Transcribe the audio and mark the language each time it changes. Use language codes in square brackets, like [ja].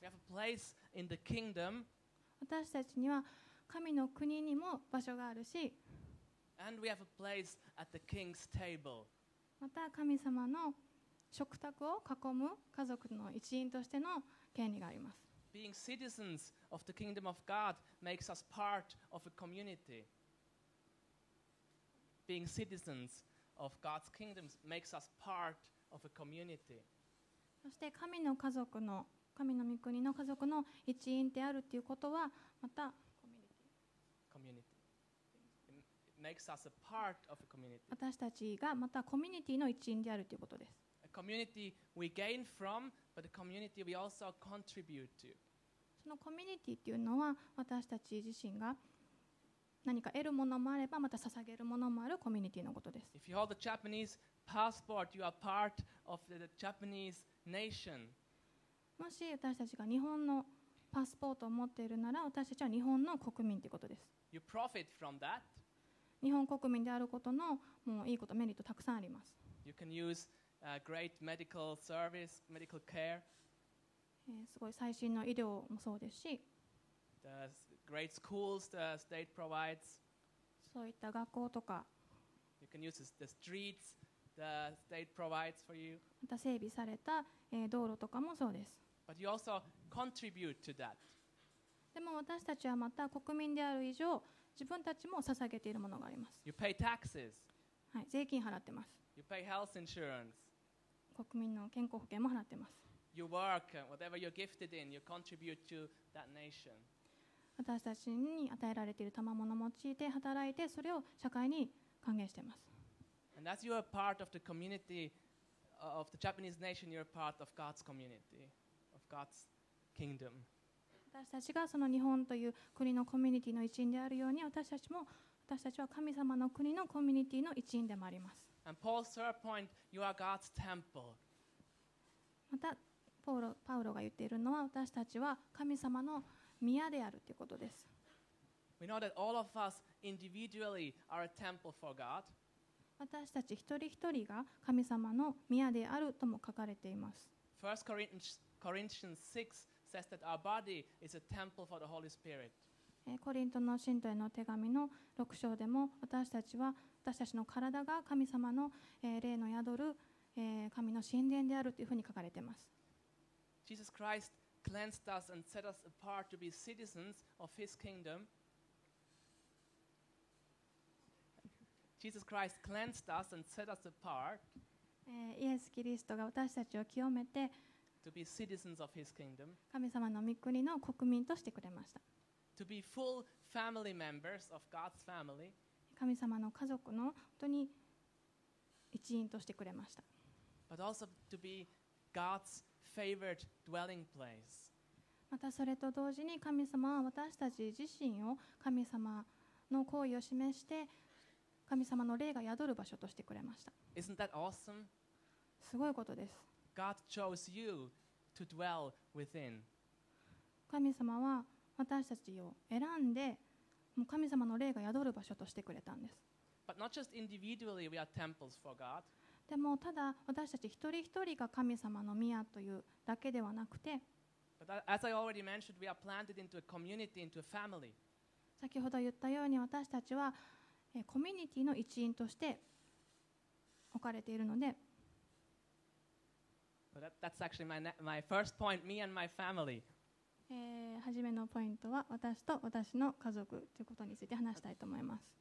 [en] We have a place in the kingdom. [ja] 私たちには神の国にも場所があるし、 [en] And we have a place at the king's table. [ja] また神様の食卓を囲む家族の一員としての権利があります。 [en] being citizens of the kingdom of God makes us part of a community. Being citizens of God's kingdom makes us part of a community. [ja] そして神の家族の、神の御国の家族の一員であるということは、また、 [en] community. It makes us a part of a community. [ja] 私たちがまたコミュニティの一員であるということです。 [en] A community we gain from, but a community we also contribute to. [ja] そのコミュニティというのは、私たち自身が何か得るものもあれば、また捧げるものもあるコミュニティのことです。 [en] If you hold a Japanese passport, you are part of the Japanese nation. [ja] もし私たちが日本のパスポートを持っているなら、私たちは日本の国民ということです。 [en] You profit from that. [ja] 日本国民であることのもういいこと、メリットたくさんあります。 [en] You can use a great medical service, medical care. [ja] すごい最新の医療もそうですし、 [en] The great schools the state provides. [ja] そういった学校とか、 [en] You can use the streets the state provides for you. [ja] また整備された道路とかもそうです。 [en] But you also contribute to that. [ja] でも私たちはまた国民である以上、自分たちも捧げているものがあります。 [en] You pay taxes. [ja] はい、税金払ってます。 [en] You pay health insurance. [ja] 国民の健康保険も払ってます。 [en] You work, whatever you're gifted in, you contribute to that nation. [ja] 私たちに与えられている賜物を用いて働いて、それを社会に還元しています。私たちがその日本という国のコミュニティの一員であるように、私たちも、私たちは神様の国のコミュニティの一員でもあります。 [en] And Paul's third point, you are God's temple. [ja] またパウロが言っているのは、私たちは神様の宮であるということです。 [en] We know that all of us individually are a temple for God. [ja] 私たち一人一人が神様の宮であるとも書かれています。 [en] First Corinthians 6 says that our body is a temple for the Holy Spirit. [ja] コリントの信徒への手紙の6章でも、私たちは、私たちの体が神様の霊の宿る神の神殿であるというふうに書かれています。 [en] Jesus Christcleansed us and set us apart to be citizens of his kingdom. Jesus Christ cleansed us and set us apart. [ja] イエス・キリストが私たちを清めて、 [en] to be citizens of his kingdom. [ja] 神様の御国の国民としてくれました。 [en] to be full family members of God's family. [ja] 神様の家族の本当に一員としてくれました。 [en] but also to be God'sFavored dwelling place. [ja] またそれと同時に、神様は私たち自身を神様の行為を示して、神様の霊が宿る場所としてくれました。 [en] Isn't that awesome? [ja] すごいことです。 [en] God chose you to dwell within. [ja] 神様は私たちを選んで、もう神様の霊が宿る場所としてくれたんです。 [en] But not just individually we are temples for God. [ja] でも、ただ私たち一人一人が神様の宮というだけではなくて、先ほど言ったように、私たちはコミュニティの一員として置かれているので、初めのポイントは、私と私の家族ということについて話したいと思います。